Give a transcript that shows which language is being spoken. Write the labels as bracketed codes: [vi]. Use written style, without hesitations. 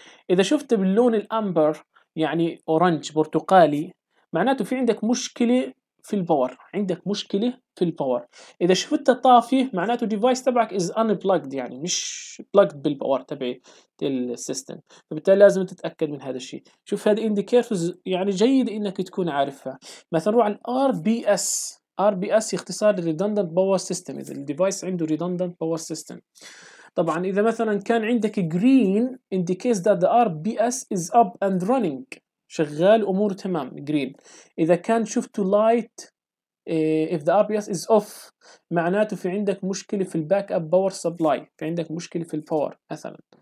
[ar] إذا شفت باللون الأمبر يعني أورنج برتقالي معناته في عندك مشكلة في الباور، عندك مشكلة في الباور. إذا شفت طافي معناته ديفايس تبعك [en] is unplugged، [ar] يعني مش plugged بالباور تبعي السيستم، فبالتالي لازم تتأكد من هذا الشيء. شوف هذه indicators يعني جيد إنك تكون عارفها. مثلا نروح على RBS، RBS اختصار [en] redundant power system، [ar] إذا الديفايس عنده redundant power system. طبعا اذا مثلا كان عندك [en] green indicates that the RBS is up and running، [ar] شغال امور تمام [en] green. [ar] اذا كان شفته light [en] if the RBS is off [ar] معناته في عندك مشكلة في الباك اب باور سبلاي، في عندك مشكلة في الباور مثلا.